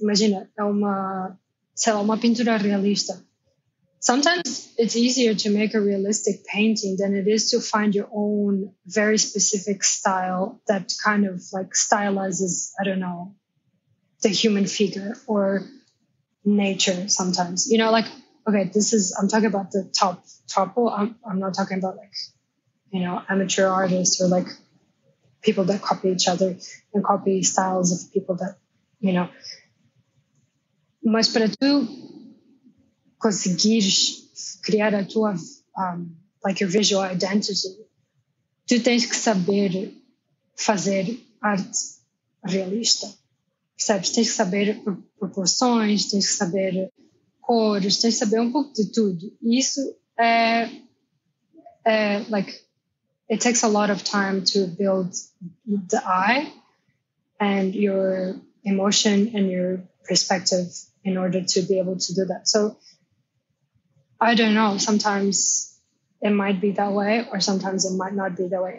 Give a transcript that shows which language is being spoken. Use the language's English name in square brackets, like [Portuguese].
[Portuguese] Imagina, é uma, sei lá, uma pintura realista. [English] Sometimes it's easier to make a realistic painting than it is to find your own very specific style that kind of like stylizes, I don't know, the human figure or nature sometimes. You know, like, okay, this is, I'm talking about the top. I'm not talking about like, you know, amateur artists or like people that copy each other and copy styles of people that, you know. [Portuguese] Mas para tu conseguires criar a tua, [English] like your visual identity, [Portuguese] tu tens que saber fazer arte realista. Percebes? Tens que saber proporções, tens que saber cores, tens que saber um pouco de tudo. E isso é [English] like, it takes a lot of time to build the eye and your emotion and your perspective in order to be able to do that. So I don't know, sometimes it might be that way or sometimes it might not be that way.